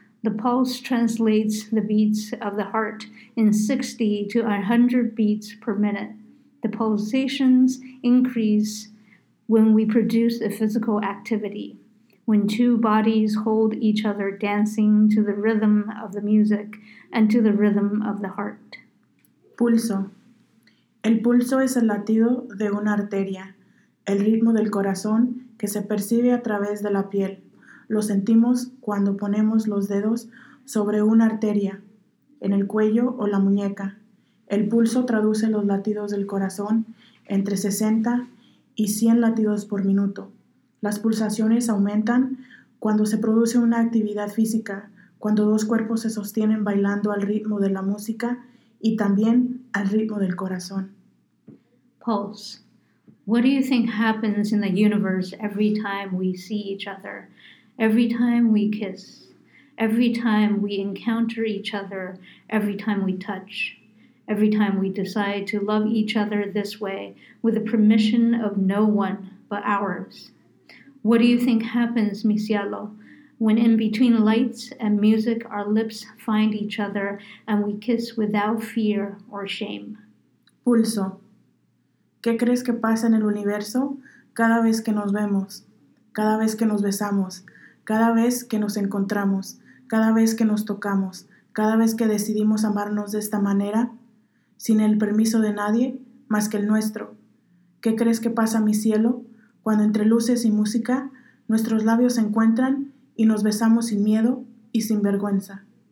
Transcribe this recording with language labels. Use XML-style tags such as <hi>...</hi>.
<en>The pulse translates the beats of the heart in 60 to 100 beats per minute. The pulsations increase when we produce a physical activity. When two bodies hold each other dancing to the rhythm of the music and to the rhythm of the heart.</en> <es>Pulso. El pulso es el latido de una arteria, el ritmo del corazón que se percibe a través de la piel. Lo sentimos cuando ponemos los dedos sobre una arteria, en el cuello o la muñeca. El pulso traduce los latidos del corazón entre 60 y 100 latidos por minuto. Las pulsaciones aumentan cuando se produce una actividad física, cuando dos cuerpos se sostienen bailando al ritmo de la música y también al ritmo del corazón.</es> <en>Pulse. What do you think happens in the universe every time we see each other, every time we kiss, every time we encounter each other, every time we touch? Every time we decide to love each other this way, with the permission of no one but ours. What do you think happens,</en> <es>mi cielo,</es> <en>when in between lights and music our lips find each other and we kiss without fear or shame?</en> <es>Pulso. ¿Qué crees que pasa en el universo cada vez que nos vemos, cada vez que nos besamos, cada vez que nos encontramos, cada vez que nos tocamos, cada vez que decidimos amarnos de esta manera? Sin el permiso de nadie, más que el nuestro. ¿Qué crees que pasa, mi cielo, cuando entre luces y música nuestros labios se encuentran y nos besamos sin miedo y sin vergüenza?</es>